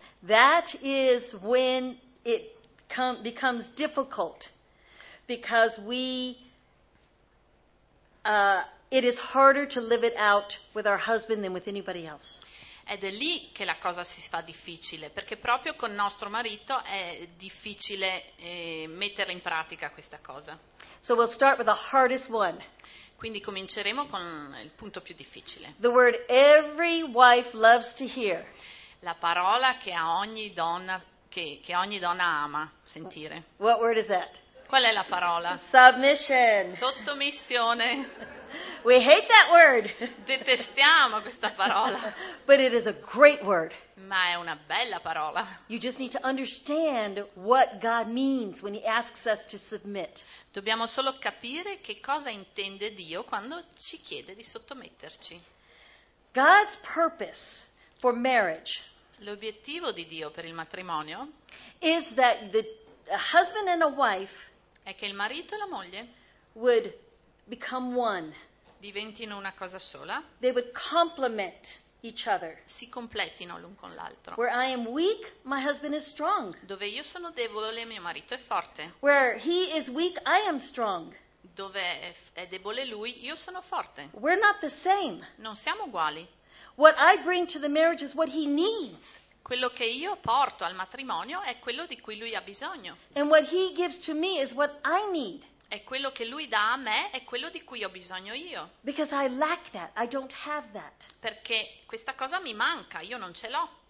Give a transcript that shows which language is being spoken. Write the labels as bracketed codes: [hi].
[en] That is when it becomes difficult, because it is harder to live it out with our husband than with anybody else. [it] Ed è lì che la cosa si fa difficile, perché proprio con nostro marito è difficile metterla in pratica questa cosa. [en] So we'll start with the hardest one. [it] Quindi cominceremo con il punto più difficile. [en] The word every wife loves to hear. [it] La parola che a ogni donna che ogni donna ama sentire. [en] What word is that? [it] Qual è la parola? [en] Submission. [it] Sottomissione. [en] We hate that word. [it] Detestiamo questa parola. [en] But it is a great word. [it] Ma è una bella parola. [en] You just need to understand what God means when he asks us to submit. [it] Dobbiamo solo capire che cosa intende Dio quando ci chiede di sottometterci. [en] God's purpose for marriage. [it] L'obiettivo di Dio per il matrimonio [en] is that the husband and a wife [it] è che il marito e la moglie [en] would become one. [it] Diventino una cosa sola. [en] They would complement each other. [it] Si completino l'un con l'altro. [en] Where I am weak, my husband is strong. [it] Dove io sono debole, mio marito è forte. [en] Where he is weak, I am strong. [it] Dove è debole lui, io sono forte. [en] We're not the same. [it] Non siamo uguali. [en] What I bring to the marriage is what he needs. [it] Quello che io porto al matrimonio è quello di cui lui ha bisogno. [en] And what he gives to me is what I need. [it] E quello che lui dà a me è quello di cui ho bisogno io. [en] Because I lack that, I don't have that. [it] Perché questa cosa mi manca, io non ce l'ho.